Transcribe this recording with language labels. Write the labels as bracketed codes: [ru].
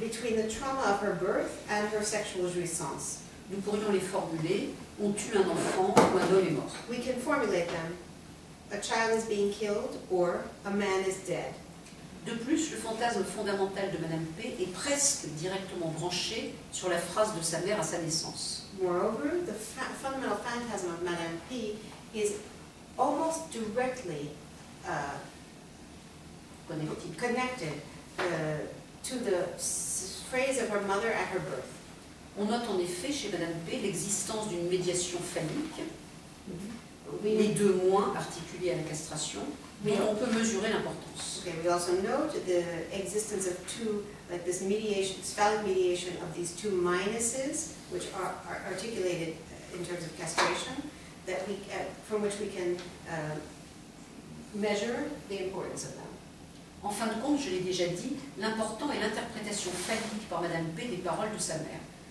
[en] Between the trauma of her birth and her sexual jouissance. [fr] Nous pourrions les formuler, on tue un enfant ou un homme est mort. [en] We can formulate them, a child is being killed or a man is dead. [fr] De plus, le fantasme fondamental de Madame P est presque directement branché sur la phrase de sa mère à sa naissance. [en] Moreover, the fundamental phantasm of Madame P is almost directly connected to the phrase of her mother at her birth. [fr] On note en effet chez Madame P l'existence d'une médiation phallique, mm-hmm. Les deux moins particuliers à la castration, mais on peut mesurer l'importance. [en] Okay, we also note the existence of two, like this mediation, phallic mediation of these two minuses, which are articulated in terms of castration, that we, from which we can measure the importance of that. [fr] En fin de compte, je l'ai déjà dit, l'important est l'interprétation phallique par Madame P des paroles de sa mère.